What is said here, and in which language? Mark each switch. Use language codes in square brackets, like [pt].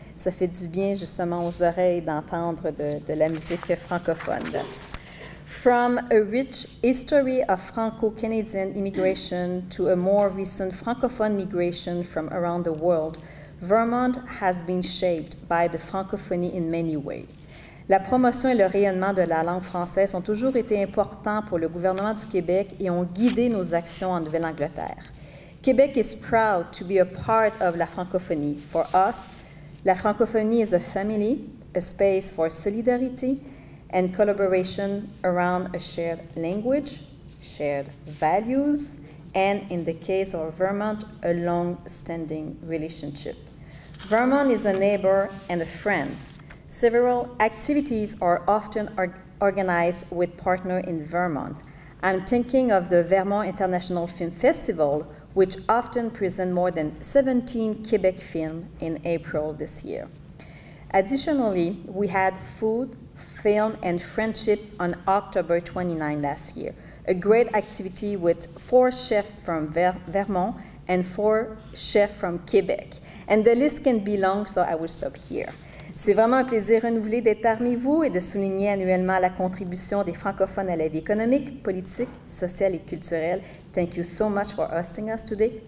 [fr] Ça fait du bien justement aux oreilles d'entendre de la musique francophone. [en] From a rich history of Franco-Canadian immigration to a more recent Francophone migration from around the world, Vermont has been shaped by the Francophonie in many ways. [fr] La promotion et le rayonnement de la langue française ont toujours été importants pour le gouvernement du Québec et ont guidé nos actions en Nouvelle-Angleterre. [en] Québec is proud to be a part of la francophonie. For us, la francophonie is a family, a space for solidarity and collaboration around a shared language, shared values, and in the case of Vermont, a long-standing relationship. Vermont is a neighbor and a friend. Several activities are often organized with partners in Vermont. I'm thinking of the Vermont International Film Festival, which often presents more than 17 Quebec films in April this year. Additionally, we had food, film, and friendship on October 29 last year, a great activity with four chefs from Vermont and four chefs from Quebec. And the list can be long, so I will stop here. [fr] C'est vraiment un plaisir renouvelé d'être parmi vous et de souligner annuellement la contribution des francophones à la vie économique, politique, sociale et culturelle. [en] Thank you so much for hosting us today.